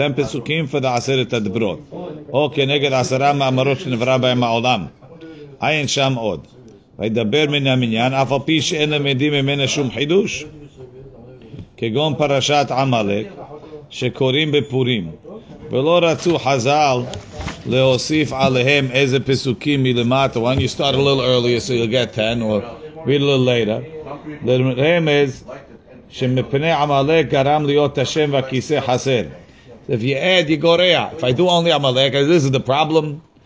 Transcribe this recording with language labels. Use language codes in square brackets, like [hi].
[he] 10 פסוקים [en] for the [he] עשרת הדברות. או כנגד עשרה מאמרות שנברא בהם העולם. אין שם עוד. וידבר מן המניין, אף על פי שאין למדים ממנה שום חידוש. כגון פרשת עמלק, שקוראים בפורים. ולא רצו חז"ל להוסיף עליהם איזה פסוקים מלמטה. [en] When you start a little earlier, so you'll get 10, or read a little later. [he] לרמז, שמפני עמלק גרם להיות השם והכיסא חסר. [en] If you add, you go rea. If I do only Amalek, this is the problem.